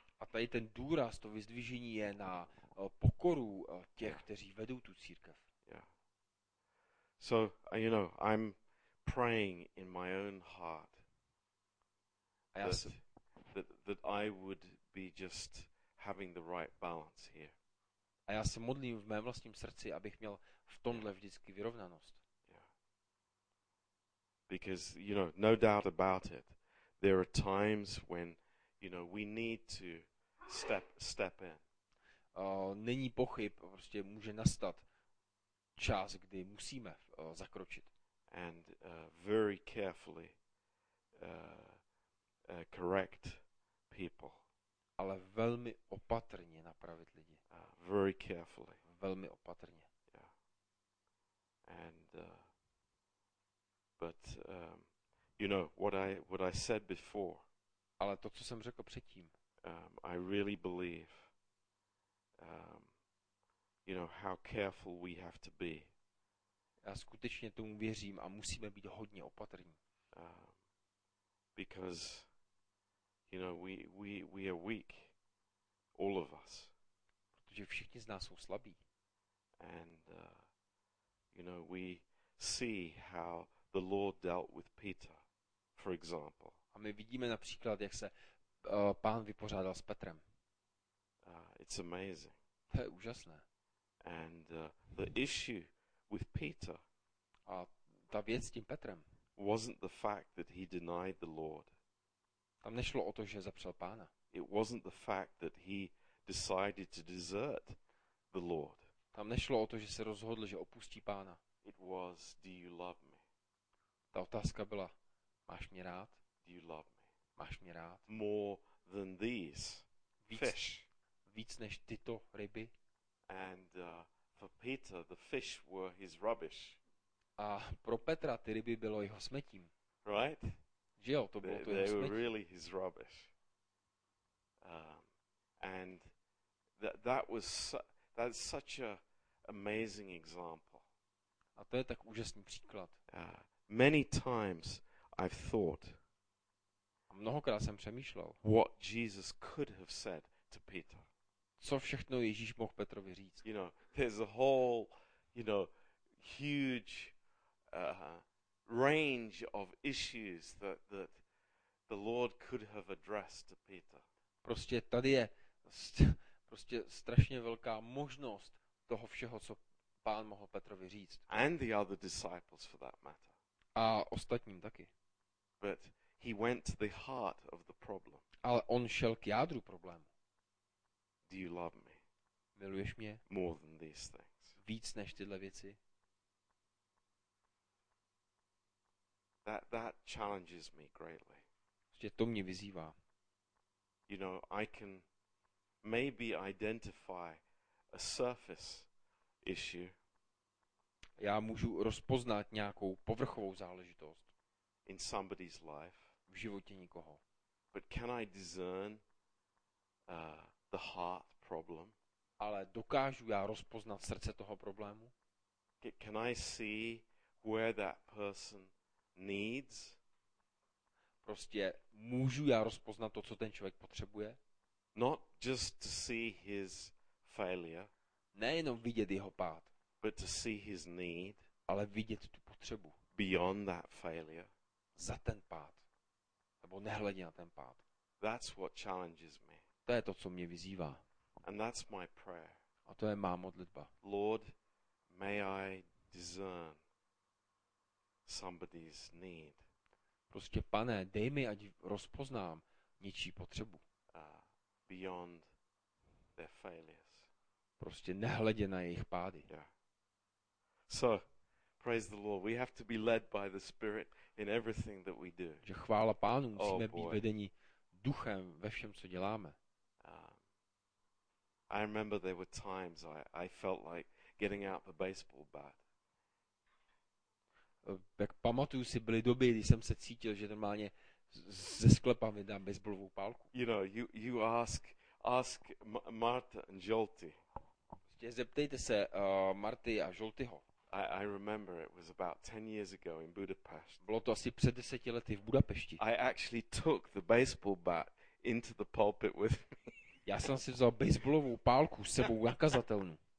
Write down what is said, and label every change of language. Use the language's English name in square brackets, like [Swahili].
[Czech] A tady ten důraz, to vyzdvižení je na pokoru těch, kteří vedou tu církev. [English] Yeah. So, you know, I'm praying in my own heart that I would be just having the right balance here. [Czech] A já se modlím v mém vlastním srdci, abych měl v tomhle vždycky vyrovnanost. [English] Yeah. Because, you know, no doubt about it, there are times when, you know, we need to step in. [Czech] Není pochyb, prostě může nastat čas, kdy musíme zakročit. [English] And very carefully correct people. [Czech] Ale velmi opatrně napravit lidi. [English] Very carefully. [Czech] Velmi opatrně. [English] Yeah. And but you know what I said before. [Czech] Ale to, co jsem řekl předtím. [English] I really believe you know how careful we have to be. [Czech] Já skutečně tomu věřím a musíme být hodně opatrní. [English] Because you know we are weak, all of us. [Czech] Protože všichni z nás jsou slabí. [English] And you know we see how the Lord dealt with Peter, for example. [Czech] A my vidíme například, jak se Pán vypořádal s Petrem. [English] It's amazing. [Czech] To je úžasné. [English] And the issue with Peter. [Czech] A ta věc s tím Petrem. [English] Wasn't the fact that he denied the Lord. [Czech] Tam nešlo o to, že zapřel Pána. [English] It wasn't the fact that he decided to desert the Lord. [Czech] Tam nešlo o to, že se rozhodl, že opustí Pána. [English] It was, do you love me? [Czech] Ta otázka byla, máš mě rád? [English] Do you love me? [Czech] Máš mě rád? [English] More than these fish. [Czech] Víc než tyto ryby. [English] And for Peter, the fish were his rubbish. [Czech] A pro Petra ty ryby bylo jeho smetím. [English] Right? [Czech] Že jo, to bylo to jeho smetí. [English] They were really his rubbish. And that was that's such a amazing example. [Czech] A to je tak úžasný příklad. [English] Many times I've thought. [Czech] A mnohokrát jsem přemýšlel. [English] What Jesus could have said to Peter. [Czech] Co všechno Ježíš mohl Petrovi říct? [English] You know, there's a whole, you know, huge range of issues that the Lord could have addressed to Peter. [Czech] Prostě tady je prostě strašně velká možnost toho všeho, co Pán mohl Petrovi říct. [English] And the other disciples for that matter. [Czech] A ostatním taky. [English] But he went to the heart of the problem. [Czech] Ale on šel k jádru problému. [English] Do you love me? [Czech] Miluješ mě? [English] More than these things. [Czech] Víc než tyhle věci? [English] That challenges me greatly. [Czech] Že to mě vyzývá. [English] You know, I can maybe identify a surface issue. [Czech] Já můžu rozpoznat nějakou povrchovou záležitost. [English] In somebody's life. [Czech] V životě někoho. [English] But can I discern the heart problem? [Czech] Ale dokážu já rozpoznat srdce toho problému? [English] Can I see where that person needs? [Czech] Prostě můžu já rozpoznat to, co ten člověk potřebuje? [English] Not just to see his failure. [Czech] Nejenom vidět jeho pád. [English] But to see his need. [Czech] Ale vidět tu potřebu. [English] Beyond that failure. [Czech] Za ten pád. Nebo nehledě na ten pád. [English] That's what challenges me. [Czech] To je to, co mě vyzývá. [English] And that's my prayer. [Czech] A to je má modlitba. [English] Lord, may I discern somebody's need. [Czech] Prostě pane, dej mi, ať rozpoznám něčí potřebu. [English] Beyond their failures. [Czech] Prostě nehledě na jejich pády. [English] Yeah. So, praise the Lord, we have to be led by the Spirit in everything that we do. [Czech] Že chvála pánu, musíme být vedení duchem ve všem, co děláme. [English] I remember there were times I felt like getting out the baseball bat. [Czech] Jak pamatuju si, byly doby, kdy jsem se cítil, že normálně ze sklepa vydám baseballovou pálku. [English] You know, you ask Marta and Jolty. [Czech] Zeptejte se Marty a Joltyho. [English] I remember it was about 10 years ago in Budapest. [Czech] Bylo to asi před 10 lety v Budapešti. [English] I actually took the baseball bat into the pulpit with me. [Czech] Já jsem si vzal baseballovou pálku s sebou na kazatelnu.